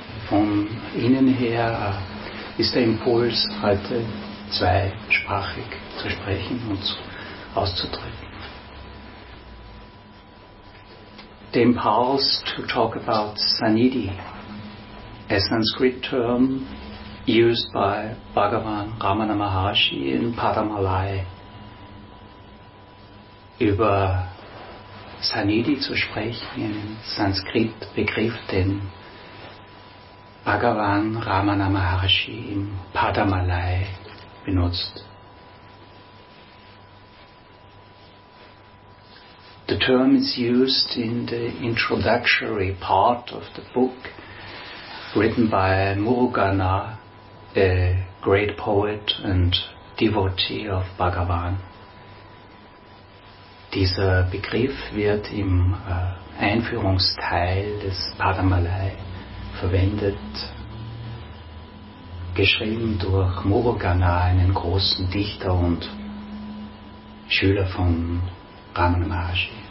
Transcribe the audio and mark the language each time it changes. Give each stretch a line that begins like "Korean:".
German: Von innen her ist der Impuls, heute zweisprachig zu sprechen und auszudrücken.
English: The impulse to talk about Sanidhi, a Sanskrit term used by Bhagavan Ramana Maharshi in Padamalai.
German: Über Sanidhi zu sprechen, im Sanskrit Begriff, den Bhagavan Ramana Maharshi im Padamalai benutzt.
English: The term is used in the introductory part of the book written by Murugana, a great poet and devotee of Bhagavan.
German: Dieser Begriff wird im Einführungsteil des Padamalai verwendet, geschrieben durch Murugana, einen großen Dichter und Schüler von Ramana Maharshi.